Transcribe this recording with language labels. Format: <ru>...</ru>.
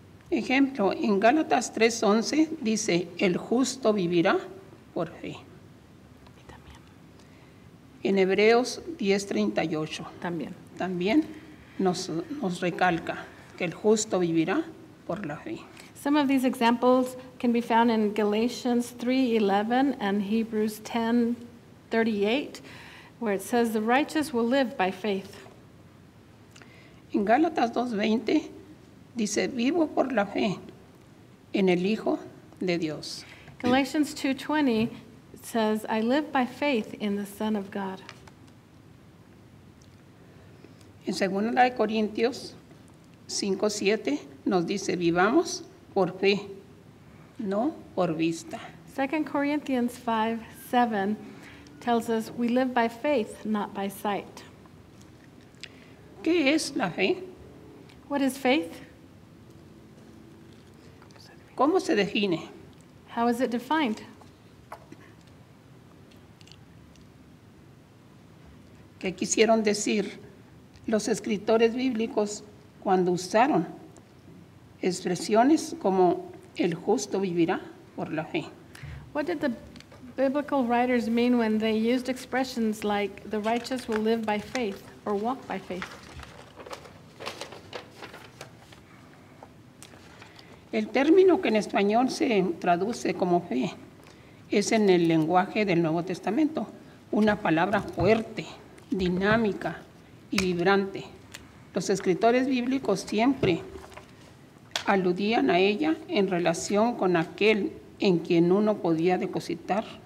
<es>Ejemplo, en Gálatas 3:11 dice, el justo vivirá por fe. Y también. En Hebreos 10:38 también nos recalca que el justo vivirá por la fe.</es> <en>Some of these examples can be found in Galatians 3:11 and Hebrews 10:38. Where it says the righteous will live by faith.</en> <es>En Gálatas 2:20 dice vivo por la fe en el Hijo de Dios.</es> <en>Galatians 2:20 says I live by faith in the Son of God.</en> <es>En Segunda de Corintios 5:7 nos dice vivamos por fe, no por vista.</es> <en>2 Corinthians 5:7 tells us we live by faith, not by sight.</en> <es>¿Qué es la fe?</es> <en>What is faith?</en> <es>¿Cómo se define?</es> <en>How is it defined?</en> <es>¿Qué quisieron decir los escritores bíblicos cuando usaron expresiones como el justo vivirá por la fe?</es> <en>What did the biblical writers mean when they used expressions like the righteous will live by faith or walk by faith?</en> <es>El término que en español se traduce como fe es en el lenguaje del Nuevo Testamento, Una palabra fuerte, dinámica y vibrante. Los escritores bíblicos siempre aludían a ella en relación con aquel en quien uno podía depositar.</es>